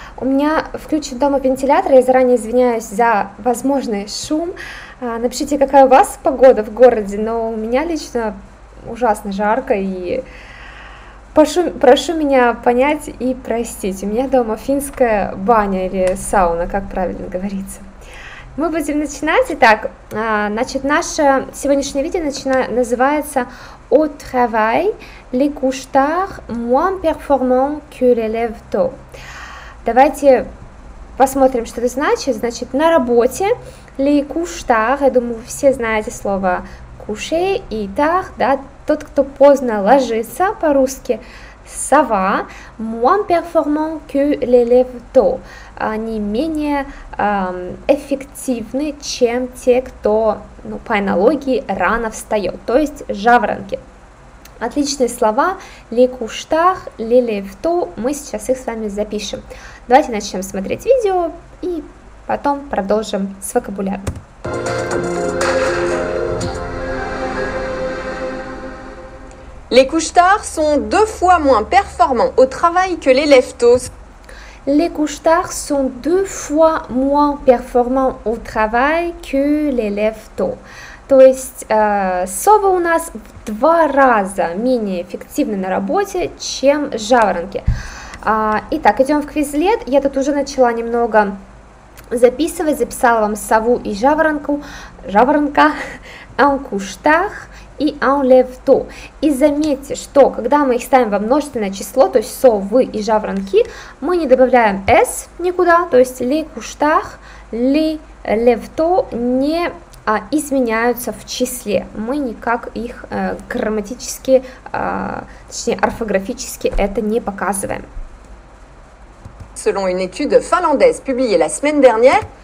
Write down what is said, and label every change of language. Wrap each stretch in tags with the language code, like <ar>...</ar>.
<ru>У меня включен дома вентилятор, я заранее извиняюсь за возможный шум. Напишите, какая у вас погода в городе, но у меня лично ужасно жарко, и прошу меня понять и простить. У меня дома финская баня или сауна, как правильно говорится. Мы будем начинать. Итак, значит, наше сегодняшнее видео называется</ru> <fr>«Au travail, les couches tard moins performant que l'élève tôt».</fr> <ru>Давайте посмотрим, что это значит. Значит, на работе,</ru> <fr>les couches tard,</fr> <ru>я думаю, все знаете слово coucher и tard, да, тот, кто поздно ложится, по-русски, сова,</ru> <fr>moins performant que l'élève tôt,</fr> <ru>они менее эффективны, чем те, кто, ну, по аналогии, рано встает, то есть жаворонки. Отличные слова,</ru> <fr>les couches tard, l'élève tôt,</fr> <ru>мы сейчас их с вами запишем. Давайте начнем смотреть видео и потом продолжим с вокабуляром.</ru> <fr>Les couches tard sont deux fois moins performants au travail que les lève tôt. Les couches tard sont deux fois moins performants au travail que les lève tôt.</fr> <ru>То есть совы у нас в два раза менее эффективны на работе, чем жаворонки. Итак, идем в Quizlet. Я тут уже начала немного записывать. Записала вам сову и жаворонку. Жаворонка.</ru> <fr>En couche tard и en lève tôt.</fr> <ru>И заметьте, что когда мы их ставим во множественное число, то есть совы и жаворонки, мы не добавляем s никуда, то есть</ru> <fr>les couches tard, les lève tôt</fr> <ru>не изменяются в числе. Мы никак их грамматически, точнее орфографически это не показываем.</ru> <fr>Selon une étude finlandaise publiée la semaine dernière,</fr>